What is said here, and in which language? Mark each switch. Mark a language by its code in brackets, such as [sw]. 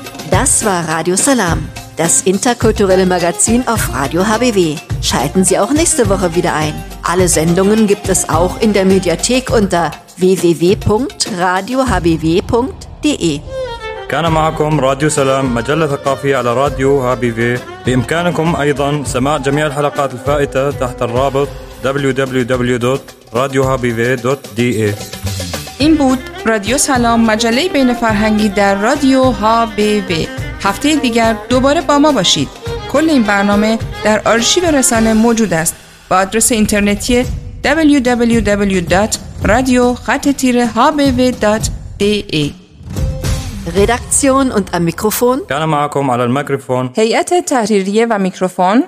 [de] Das war Radio Salam, das interkulturelle Magazin auf Radio HBW. Schalten Sie auch nächste Woche wieder ein. Alle Sendungen gibt es auch in der Mediathek unter www.radiohbw.de. [ar] كان معكم راديو سلام مجلة ثقافية على راديو HBW. بإمكانكم أيضا سماع جميع الحلقات الفائتة تحت الرابط www.radiohbw.de. [fa] این بود رادیو سلام، مجله بین فرهنگی در رادیو HBW. هفته دیگر دوباره با ما باشید. کل این برنامه در آرشیو رسانه موجود است با آدرس اینترنتی www.radio-hbw.de. [de] Redaktion und am Mikrofon. [ar] Gerne معكم على الميكروفون. هيئة تحريرية و ميكروفون.